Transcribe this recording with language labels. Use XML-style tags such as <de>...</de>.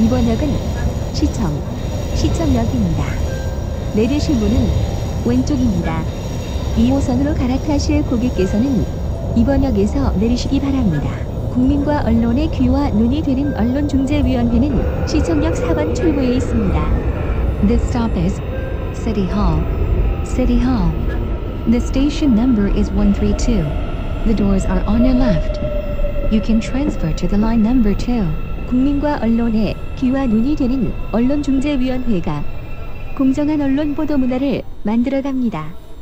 <ko>Station 역은 시청역입니다. 내리실 문은 왼쪽입니다. 2호선으로 갈아타실 고객께서는 이번 역에서 내리시기 바랍니다. 국민과 언론의 귀와 눈이 되는 언론중재위원회는 시청역 4번 출구에 있습니다.</ko> <en>The stop is City Hall. City Hall. The station number is 132. The doors are on your left. You can transfer to the line number 2.</en> <ko>국민과 언론의 귀와 눈이 되는 언론중재위원회가 공정한 언론 보도 문화를 만들어갑니다.</ko>